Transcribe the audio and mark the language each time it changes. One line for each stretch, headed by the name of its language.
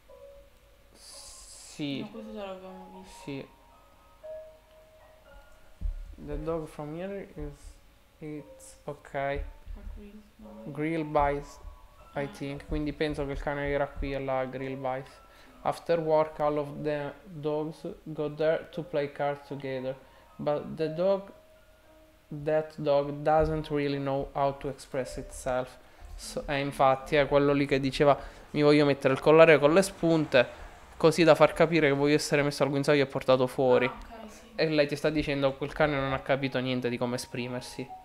Italian: No, Sì. questo già l'abbiamo visto. Sì.
English: The dog from here is. It's ok.
Italian: Qui, no.
English: Grill bias, I Ah. think.
Italian: Quindi penso che il cane era qui alla grill bias.
English: After work, all of the dogs go there to play cards together. But the dog, that dog doesn't really know how to express itself. So,
Italian: Non infatti, capisco. è quello lì che diceva: mi voglio mettere il collare con le spunte, così da far capire che voglio essere messo al guinzaglio e portato fuori. Ah, ok, E sì. lei ti sta dicendo: quel cane non ha capito niente di come esprimersi.